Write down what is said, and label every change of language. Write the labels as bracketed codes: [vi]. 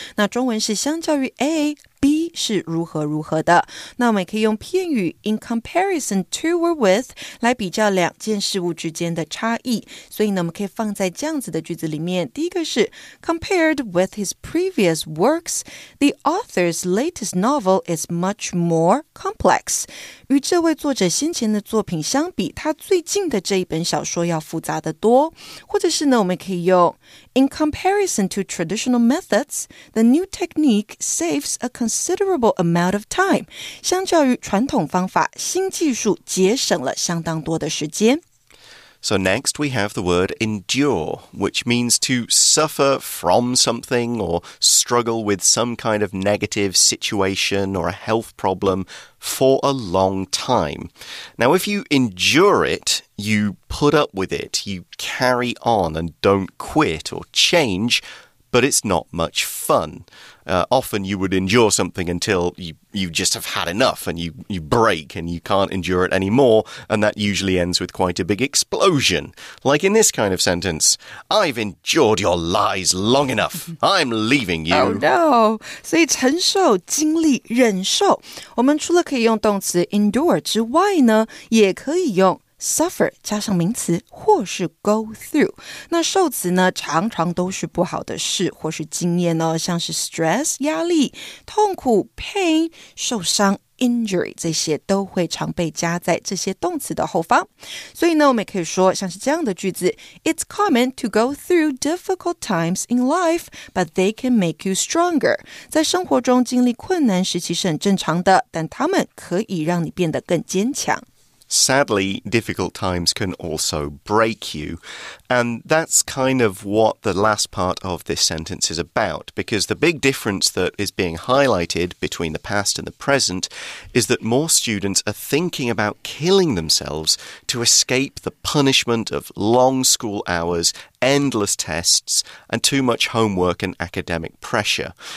[zh] 那中文是相较于 a， b 是如何如何的。那我们也可以用片语 [en] in comparison to or with [zh] 来比较两件事物之间的差异。所以呢，我们可以放在这样子的句子里面。第一个是 [en] compared with his previous works， the author's latest novel is much more complex。 [zh] 与这位作者先前的作品相比，他最近的这一本小说要复杂的多。或者是呢，我们可以用 [en] in comparison to traditional methods， the new technique saves a considerable amount of time。 [zh] 相较于传统方法，新技术节省了相当多的时间。 [en] So next we have the word endure, which means to suffer from something or struggle with some kind of negative situation or a health problem for a long time. Now if you endure it, you put up with it, you carry on and don't quit or change, but it's not much fun. Often you would endure something until you just have had enough and you break and you can't endure it anymore, and that usually ends with quite a big explosion. Like in this kind of sentence, I've endured your lies long enough. I'm leaving you. Oh no! [zh] 所以承受、经历、忍受，我们除了可以用动词 endure 之外呢，也可以用 suffer 加上名词或是 [en] go through， [zh] 那受词呢常常都是不好的事或是经验哦，像是 stress 压力、痛苦 pain 受伤 injury 这些都会常被加在这些动词的后方。所以呢，我们也可以说像是这样的句子： [en] It's common to go through difficult times in life, but they can make you stronger. [zh] 在生活中经历困难时期是很正常的，但它们可以让你变得更坚强。 [en] Sadly, difficult times can also break you. And that's kind of what the last part of this sentence is about, because the big difference that is being highlighted between the past and the present is that more students are thinking about killing themselves to escape the punishment of long school hours, endless tests, and too much homework and academic pressure.